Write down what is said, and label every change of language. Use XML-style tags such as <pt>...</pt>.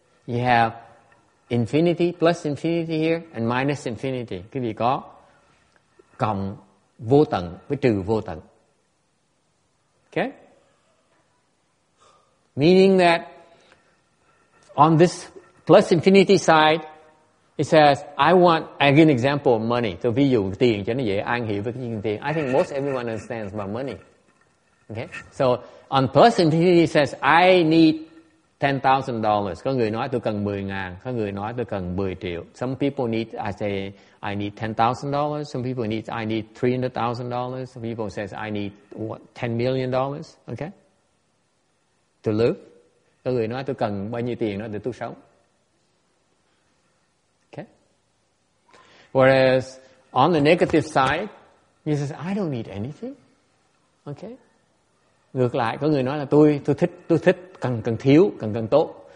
<en>You have infinity plus infinity here and minus infinity.</en> <vi>Quý vị có cộng vô tận với trừ vô tận.</vi> <en>Okay? Meaning that on this plus infinity side, it says, I want, I give an example of money.</en> <vi>So, ví dụ tiền cho nó dễ, ai hiểu với cái tiền.</vi> <en>I think most everyone understands about money. Okay? So, on plus infinity, it says, I need $10,000.</en> <vi>Có người nói tôi cần 10,000. Có người nói tôi cần 10 triệu.</vi> <en>Some people need, I say, I need $10,000. Some people need, I need $300,000. Some people says, I need $10 million. Okay? To live.</en> <vi>Có người nói tôi cần bao nhiêu tiền đó để tôi sống.</vi> <en>Okay? Whereas on the negative side, he says, I don't need anything. Okay?</en> <vi>Ngược lại, có người nói là tôi thích cần thiếu, cần tốt.</vi>